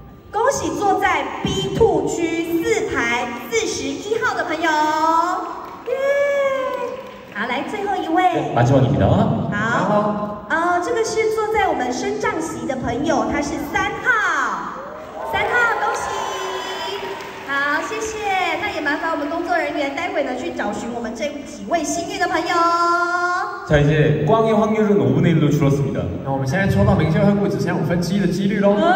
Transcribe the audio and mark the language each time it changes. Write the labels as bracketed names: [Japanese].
[Chinese] 恭喜坐在 B 2区4排49号的朋友，耶！好，来最后一位， [Korean] 마지막입니다。 [Chinese] 好，这个是坐在我们升降席的朋友，他是3号。3号，恭喜！好，谢谢。那也麻烦我们工作人员待会呢去找寻我们这几位幸运的朋友。자 [Korean] 이제 꽝의 확률은 5분의 1로 줄었습니다. [Chinese] 那我们现在抽到明星会顾只剩5分之1的几率咯。